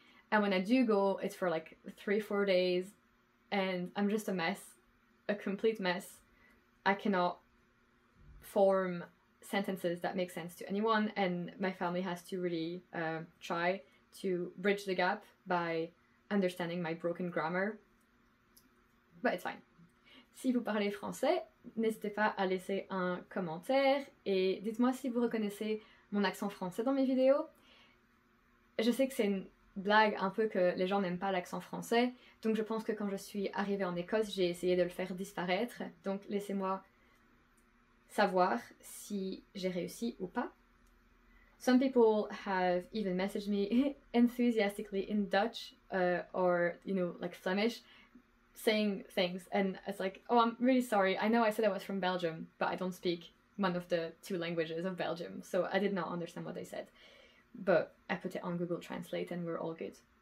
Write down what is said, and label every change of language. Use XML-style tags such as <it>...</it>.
<en>And when I do go, it's for like 3-4 days, and I'm just a mess, a complete mess. I cannot form sentences that make sense to anyone, and my family has to really try to bridge the gap by understanding my broken grammar. But it's fine.</en> <fr>Si vous parlez français, n'hésitez pas à laisser un commentaire et dites-moi si vous reconnaissez mon accent français dans mes vidéos. Je sais que c'est une blague un peu que les gens n'aiment pas l'accent français, donc je pense que quand je suis arrivée en Écosse, j'ai essayé de le faire disparaître. Donc laissez-moi savoir si j'ai réussi ou pas.</fr> <en>Some people have even messaged me enthusiastically in Dutch or, you know, like Flemish, saying things, and it's like, oh, I'm really sorry, I know I said I was from Belgium, but I don't speak one of the two languages of Belgium, so I did not understand what they said, but I put it on Google Translate and we're all good.</en>